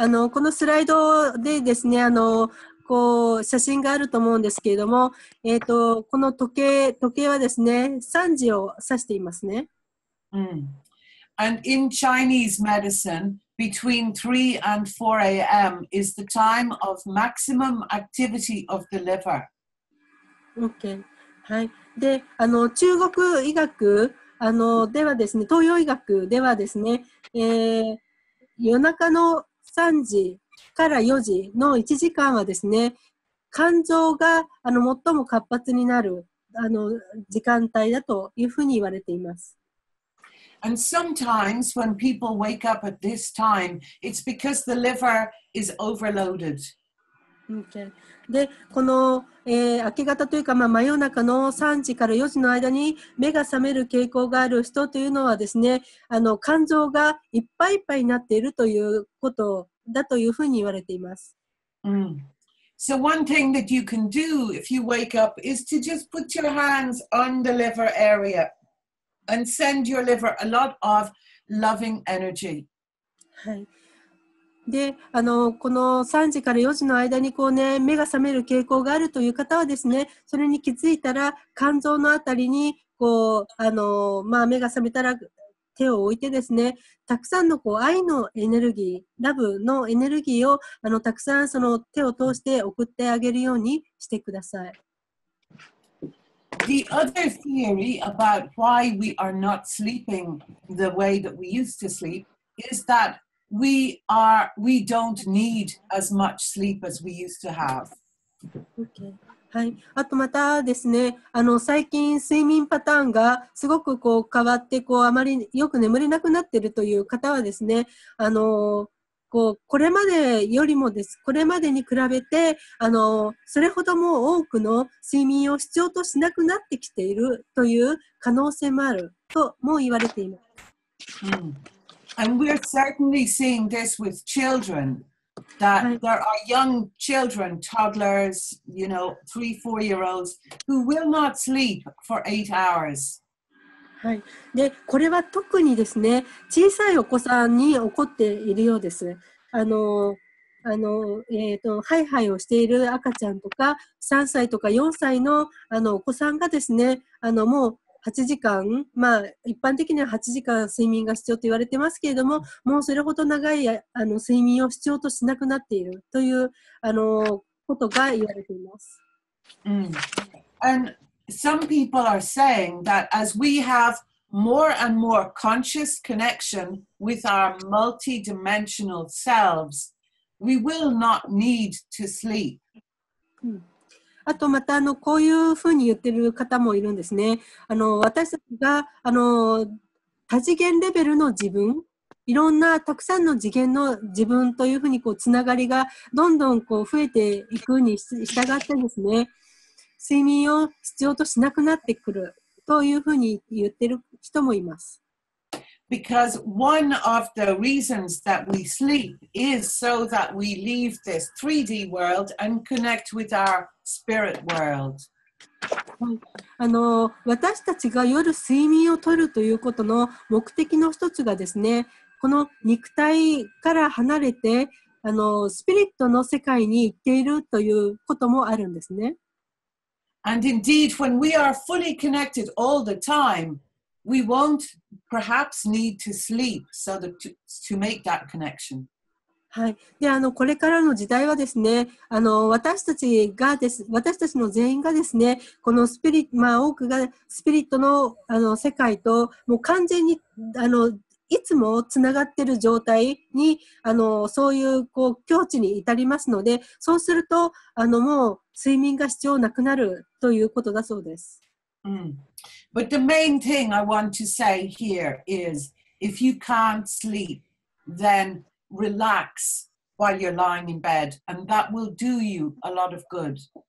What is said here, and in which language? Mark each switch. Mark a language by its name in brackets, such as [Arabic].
[Japanese] このスライドでですね、こう写真があると思うんですけれども、この時計はですね、3時を指していますね。 [English] And in Chinese medicine, between 3 and 4 a.m. is the time of maximum activity of the liver. Okay. はい。 [Japanese] で、中国医学ではですね、東洋医学ではですね、夜中の3時から4時の1時間はですね、肝臓が最も活発になる時間帯だというふうに言われています。 [English] And sometimes when people wake up at this time, it's because the liver is overloaded. Okay. [Japanese] で、この、明け方というか、まあ、真夜中の3時から4時の間に目が覚める傾向がある人というのはですね、肝臓がいっぱいいっぱいになっているということだというふうに言われています。 [English] So one thing that you can do if you wake up is to just put your hands on the liver area and send your liver a lot of loving energy. はい。 [Japanese] で、この3時から4時の間にこうね、目が覚める傾向があるという方はですね、それに気づいたら肝臓のあたりにこう、まあ、目が覚めたら手を置いてですね、たくさんのこう愛のエネルギー、ラブのエネルギーをたくさんその手を通して送ってあげるようにしてください。 [English] The other theory about why we are not sleeping the way that we used to sleep is thatWe don't need as much sleep as we used to have. Okay. はい。 [Japanese] あとまたですね、最近睡眠パターンがすごくこう変わって、こうあまりよく眠れなくなっているという方はですね、こうこれまでよりもです、これまでに比べて、それほども多くの睡眠を必要としなくなってきているという可能性もあるとも言われています。 [English] And we're certainly seeing this with children, that there are young children, toddlers, you know, 3-4-year-olds, who will not sleep for 8 hours. はい。 [Japanese] で、これは特にですね、小さいお子さんに起こっているようです。ハイハイをしている赤ちゃんとか、3歳とか4歳のお子さんがですね、もう、8時間、まあ、一般的には8時間睡眠が必要と言われてますけれども、もうそれほど長い睡眠を必要としなくなっているということが言われています。 And [English] some people are saying that as we have more and more conscious connection with our multidimensional selves, we will not need to sleep. [Japanese] あとまたこういうふうに言ってる方もいるんですね。私たちが多次元レベルの自分、いろんなたくさんの次元の自分というふうにつながりがどんどん増えていくに従ってですね、睡眠を必要としなくなってくるというふうに言ってる人もいます。 [English] Because one of the reasons that we sleep is so that we leave this 3D world and connect with our spirit world. [Japanese] 私たちが夜睡眠をとるということの目的の一つがですね、この肉体から離れてスピリットの世界に行っているということもあるんですね。 [English] And indeed, when we are fully connected all the time, we won't perhaps need to sleep so that to make that connection. はい。 [Japanese] で、これからの時代はですね、私たちの全員がですね、このスピリット、まあ多くがスピリットの世界と、もう完全にいつもつながっている状態に、そういう、境地に至りますので、そうすると、もう睡眠が必要なくなるということだそうです。 Mm. [English] But the main thing I want to say here is, if you can't sleep, then relax while you're lying in bed, and that will do you a lot of good.